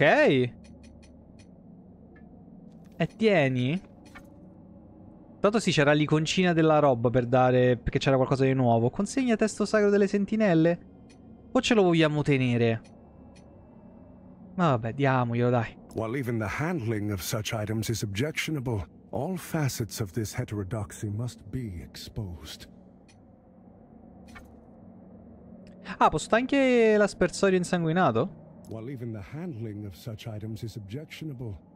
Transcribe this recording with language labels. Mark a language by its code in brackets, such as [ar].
[it] E tieni. Tanto sì, c'era l'iconcina della roba per dare... Perché c'era qualcosa di nuovo. Consegna testo sacro delle sentinelle? O ce lo vogliamo tenere? Ma vabbè, diamoglielo, dai. [en] While even the handling of such items is objectionable, all facets of this heterodoxy must be exposed. [it] Ah, posso anche l'aspersorio insanguinato? [en] While even the handling of such items is objectionable...